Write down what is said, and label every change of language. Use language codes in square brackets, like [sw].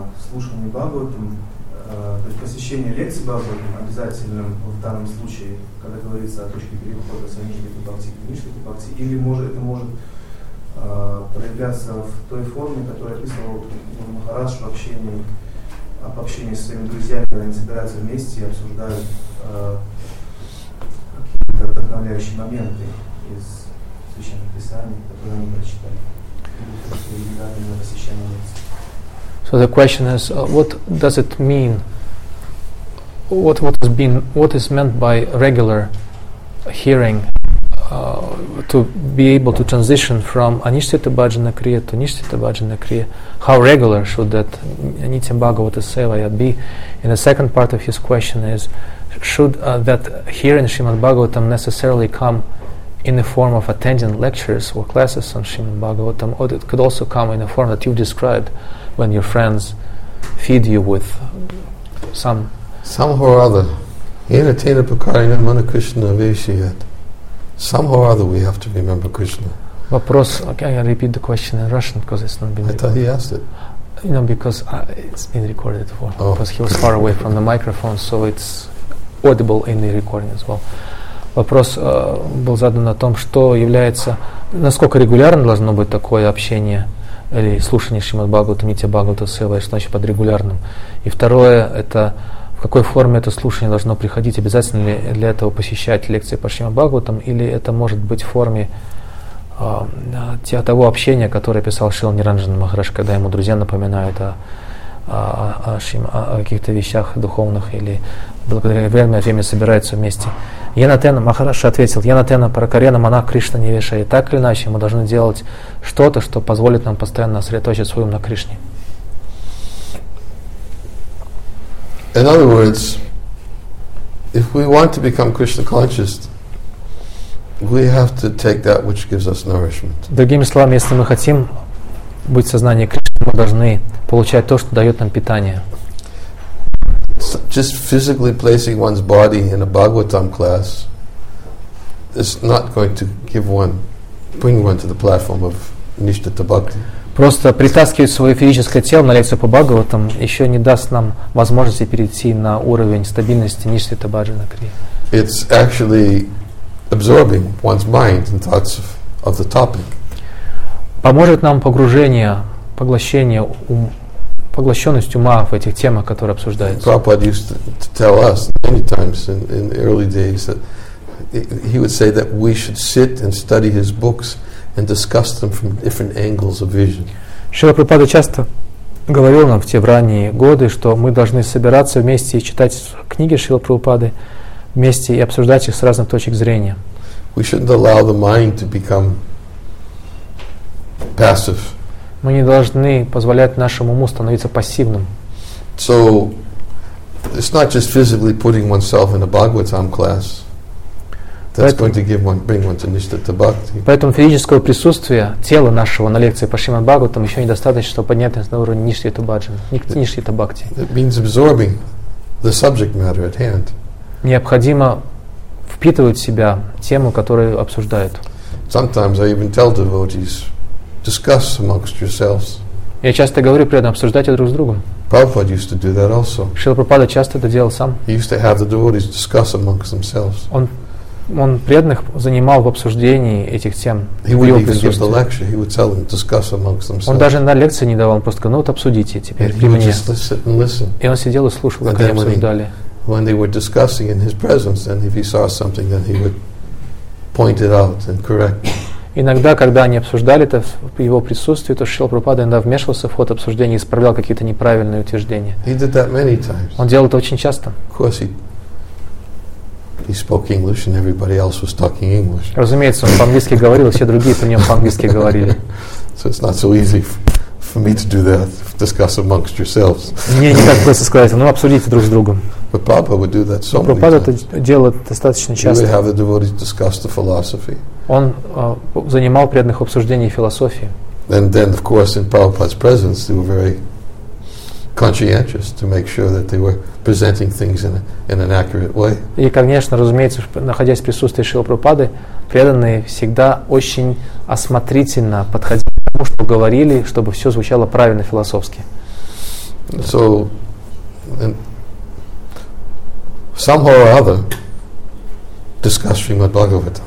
[ru] слушание Бхагавату, то есть посещение лекции Бхагавату обязательным в данном случае, когда говорится о точке перехода с Анишхиты Бхакти к Анишхиты Бхакти, или это может проявляться в той форме, которая описывала вот Махарадж в общении. Об общении со своими друзьями, когда они собираются вместе и обсуждают какие-то вдохновляющие моменты из священных писаний, которые они прочитали. Или просто регулярно посещение. [en] So the question is, what does it mean? What is meant by regular hearing? To be able to transition from Anishtita Bhajana Kriya to Nishtita Bhajana Kriya, how regular should that Nityam Bhagavata Sevaya be? And the second part of his question is, should that hearing Srimad Bhagavatam necessarily come in the form of attending lectures or classes on Srimad Bhagavatam, or it could also come in the form that you've described when your friends feed you with somehow or other. [sa] Yenatena Pukarina Mana Krishna Vishyat. [en] Somehow or other, we have to remember Krishna. [ru] Вопрос. [en] Okay, I repeat the question in Russian because it's not been. I thought he asked it. You know, because it's been recorded for. Oh. Because he was far away from the microphone, so it's audible in the recording as well. [ru] Вопрос был задан о том, что является, насколько регулярно должно быть такое общение или слушание Шримад Бхагавата, Нитья Бхагавата Сева, что значит под регулярным. И второе это. В какой форме это слушание должно приходить? Обязательно ли для этого посещать лекции по Шримад Бхагаватам? Или это может быть в форме того общения, которое писал Шрила Ниранджана Махарадж, когда ему друзья напоминают о каких-то вещах духовных или благодаря время собираются вместе. Янатена Махарадж ответил, [sa] Янатена Паракарена Манах Кришна Невеша. [ru] И так или иначе, мы должны делать что-то, что позволит нам постоянно сосредоточить свой ум на Кришне. [en] In other words, if we want to become Krishna conscious, we have to take that which gives us nourishment. [ru] Другими словами, если мы хотим быть в сознании Кришны, мы должны получать то, что дает нам питание. [en] Just physically placing one's body in a Bhagavatam class is not going to bring one to the platform of Nishtita Bhakti. [ru] Просто притаскивать свое физическое тело на лекцию по Бхагаватам еще не даст нам возможности перейти на уровень стабильности Нишхита Бхаджана Крия. [en] It's actually absorbing one's mind and thoughts of the topic. [ru] Поможет нам погружение, поглощение, поглощенность ума в этих темах, которые обсуждаются. [en] Prabhupada used to tell us many times in the early days that he would say that we should sit and study his books and discuss them from different angles of vision. [ru] Шрила Прабхупада часто говорил нам в те ранние годы, что мы должны собираться вместе и читать книги Шрилы Прабхупады вместе и обсуждать их с разных точек зрения. [en] We shouldn't allow the mind to become passive. [ru] Мы не должны позволять нашему уму становиться пассивным. [en] So, it's not just physically putting oneself in a Bhagavatam class. That's [ru] поэтому, [en] going to give one, bring one to Nishtha Bhakti. [ru] Поэтому физического присутствия тела нашего на лекции по Шримад Бхагаватам еще недостаточно, чтобы поднять нас на уровень Нишхита Бхаджана, Нишхита Бхакти. [en] It means absorbing the subject matter at hand. [ru] Необходимо впитывать в себя тему, которую обсуждают. [en] Sometimes I even tell devotees, discuss amongst yourselves. [ru] Я часто говорю при этом, обсуждайте друг с другом. [en] Prabhupada used to do that also. [ru] Шрила Прабхупада часто это делал сам. [en] He used to have the devotees discuss amongst themselves. [ru] Он преданных занимал в обсуждении этих тем. [en] He would even give the lecture. He would tell them, discuss amongst themselves. [ru] Он даже на лекции не давал, он просто сказал, ну вот обсудите теперь при мне. И он сидел и слушал, как они обсуждали. [en] When they were discussing in his presence, and if he saw something, then he would point it out and correct. [ru] Иногда, когда они обсуждали это в его присутствии, то Шрила Прабхупада иногда вмешивался в ход обсуждения и исправлял какие-то неправильные утверждения. [en] He did that many times. [ru] Он делал это очень часто. [en] Of course, he spoke English, and everybody else was talking English. [ru] Разумеется, он по-английски говорил, все другие при нем по-английски говорили. [en] So it's not so easy for me to do that. Discuss amongst yourselves. [ru] Мне не так просто сказать, но обсудите друг с другом. [en] But Prabhupada would do that so many times. [ru] Прабхупада это делал достаточно часто. [en] He would have the devotees discuss the philosophy. [ru] Он занимал преданных обсуждений философии. [en] And then, of course, in Prabhupada's presence, they were very conscientious to make sure that they were presenting things in an accurate way. [ru] И, конечно, разумеется, находясь в присутствии Шрилы Прабхупады, преданные всегда очень осмотрительно подходили к тому, что говорили, чтобы все звучало правильно философски. [en] So, somehow or other, discuss Shrimad Bhagavatam.